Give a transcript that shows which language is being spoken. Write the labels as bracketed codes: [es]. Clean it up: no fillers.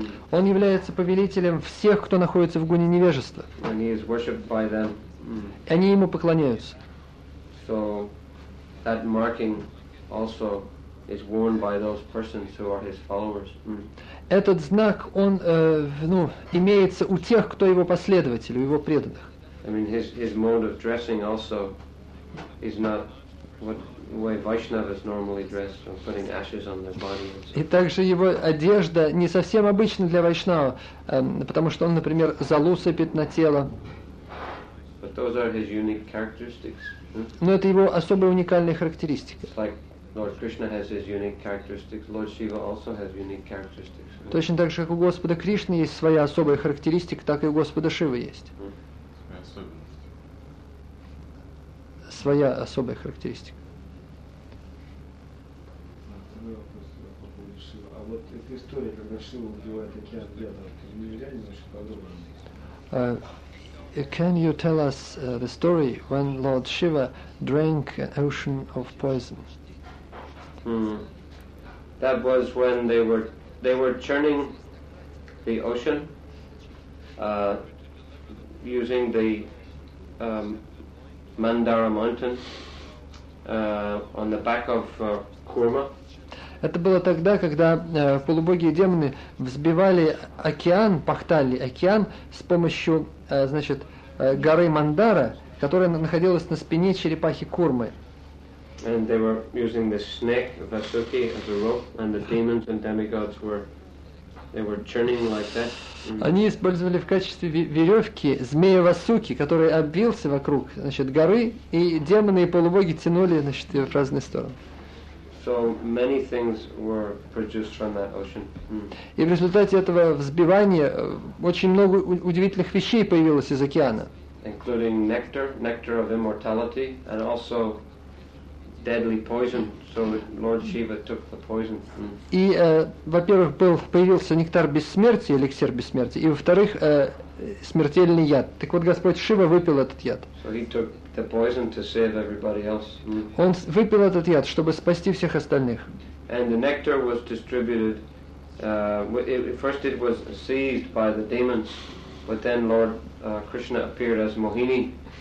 [ru] Он является повелителем всех, кто находится в гуне невежества. И они ему поклоняются. [en] So that marking also is worn by those persons who are his followers. [ru] Этот знак, он имеется у тех, кто его последователь, у его преданных. [en] I mean, his mode of dressing also is not what way Vaishnavas normally dress, so putting ashes on their body. [ru] И также его одежда не совсем обычна для вайшнава, потому что он, например, залу сыпет на тело. [en] But those are his unique characteristics. [ru] Но это его особая уникальная характеристика. [en] It's like Lord Krishna has his unique characteristics. Lord Shiva also has unique characteristics. [ru] Точно так же, как у Господа Кришны есть своя особая характеристика, так и у Господа Шивы есть. Своя особая характеристика. Второй вопрос по поводу Шивы. А вот эта история, когда Шива убивает такие отряды, не реально очень подробно. [en] Can you tell us the story when Lord Shiva drank an ocean of poison? That was when they were churning the ocean using the Mandara Mountain on the back of Kurma. [ru] Это было тогда, когда полубогие демоны взбивали океан, пахтали океан с помощью, горы Мандара, которая находилась на спине черепахи Курмы. [en] And they were using the snake Vasuki as a rope, and the demons and demigods were churning like that. [ru] Они использовали в качестве веревки змея Васуки, который обвился вокруг, горы, и демоны и полубоги тянули, в разные стороны. [en] So many things were produced from that ocean. [ru] И в результате этого взбивания очень много удивительных вещей появилось из океана. [en] Including nectar of immortality, and also deadly poison. So Lord Shiva took the poison. [ru] И, во-первых, появился нектар бессмертия, эликсир бессмертия, и, во-вторых, смертельный яд. Так вот, Господь Шива выпил этот яд. [en] So he took the poison to save everybody else. [ru] Он выпил этот яд, чтобы спасти всех остальных. [en] And the nectar was distributed. First it was seized by the demons, but then Lord Krishna appeared as Mohini.